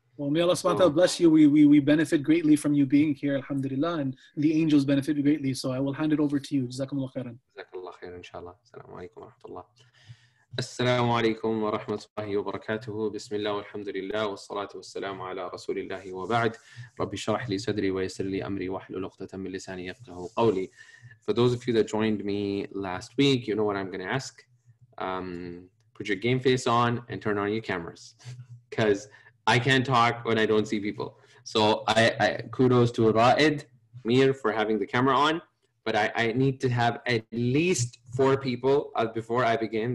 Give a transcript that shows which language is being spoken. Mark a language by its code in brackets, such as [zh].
[en] Well, may Allah subhanahu wa ta'ala bless you. We benefit greatly from you being here, alhamdulillah, and the angels benefit greatly. So I will hand it over to you. Jazakumullah khairan. [ar] Jazakumullah khairan, inshallah. Assalamu alaikum wa rahmatullah. السلام عليكم ورحمة الله وبركاته بسم الله والحمد لله والصلاة والسلام على رسول الله وبعد ربي شرح لي صدري ويسر لي أمري وحلل عقدة من لساني يفقهوا قولي. [en] For those of you that joined me last week, you know what I'm going to ask. Put your game face on and turn on your cameras, because I can't talk when I don't see people. So I kudos to Ra'id Mir for having the camera on. But I need to have at least four people before I begin.